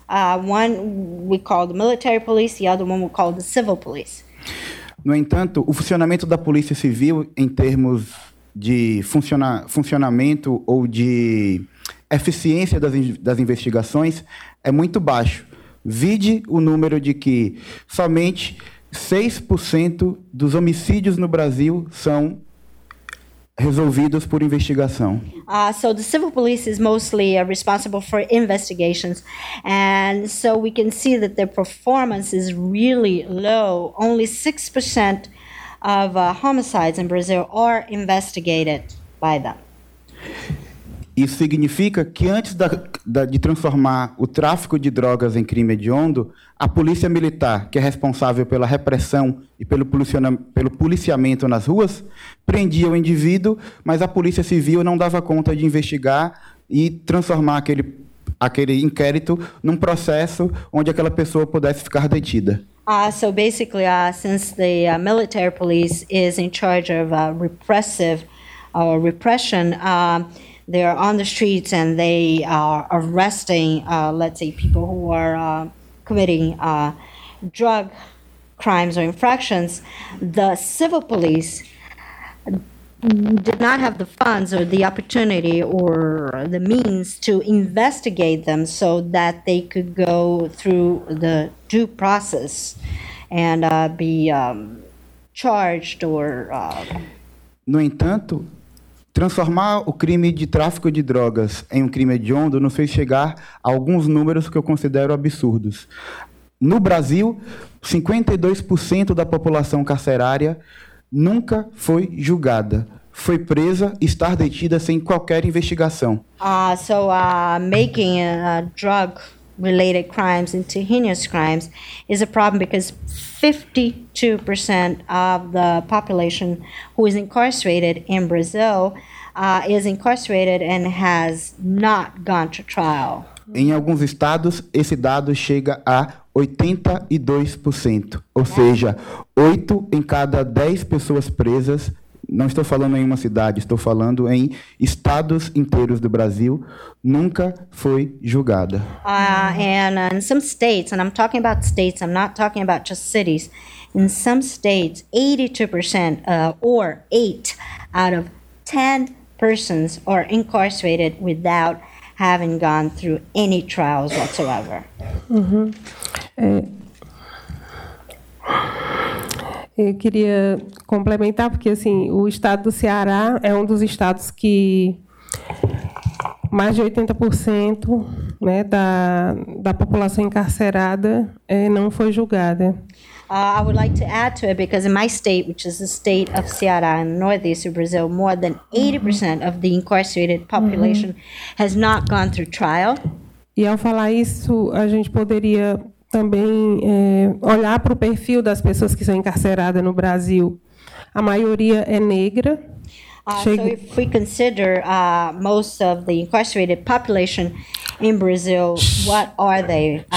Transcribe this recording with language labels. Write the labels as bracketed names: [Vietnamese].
[English] One we call the military police, the other one we call the civil police. [Portuguese] No entanto, o funcionamento da polícia civil em termos de funcionamento ou de eficiência das investigações é muito baixo. Vide o número de que somente 6% dos homicídios no Brasil são resolvidos por investigação. [English] So the civil police is mostly responsible for investigations. And so we can see that their performance is really low. Only 6% of homicides in Brazil are investigated by them. [Portuguese] Isso significa que antes de transformar o tráfico de drogas em crime hediondo, a polícia militar, que é responsável pela repressão e pelo policiamento nas ruas, prendia o indivíduo, mas a polícia civil não dava conta de investigar e transformar aquele inquérito num processo onde aquela pessoa pudesse ficar detida. [English] Since the military police is in charge of repression, they are on the streets and they are arresting, let's say, people who are committing drug crimes or infractions, the civil police did not have the funds or the opportunity or the means to investigate them so that they could go through the due process and be charged or... [Portuguese] No entanto, transformar o crime de tráfico de drogas em um crime hediondo nos fez chegar a alguns números que eu considero absurdos. No Brasil, 52% da população carcerária nunca foi julgada, foi presa e está detida sem qualquer investigação. [English] Making drug-related crimes into heinous crimes is a problem because 52% of the population who is incarcerated in Brazil is incarcerated and has not gone to trial. [Portuguese] Em alguns estados, esse dado chega a 82%, ou seja, 8 em cada 10 pessoas presas, não estou falando em uma cidade, estou falando em estados inteiros do Brasil, nunca foi julgada. [English] And in some states, and I'm talking about states, I'm not talking about just cities, in some states, 82% or 8 out of 10 persons are incarcerated without having gone through any trials whatsoever. Uhum. [Portuguese] Eu queria complementar, porque assim, o estado do Ceará é um dos estados que mais de 80%, né, da população encarcerada não foi julgada. [English] I would like to add to it because in my state, which is the state of Ceará in northeast of Brazil, more than 80% of the incarcerated population has not gone through trial. [Portuguese] E ao falar isso, a gente poderia também olhar para o perfil das pessoas que são encarceradas no Brasil. A maioria é negra. [English] So if we consider most of the incarcerated population in Brazil, what are they?